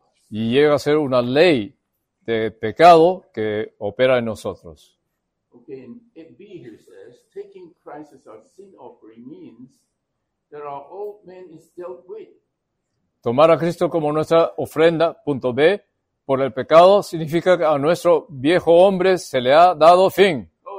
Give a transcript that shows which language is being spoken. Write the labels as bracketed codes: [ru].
[es] Y llega a ser una ley de pecado que opera en nosotros. [en] Okay, and it B here says, taking Christ as our sin offering means that our old man is dealt with. [es] Tomar a Cristo como nuestra ofrenda, punto B, por el pecado significa que a nuestro viejo hombre se le ha dado fin.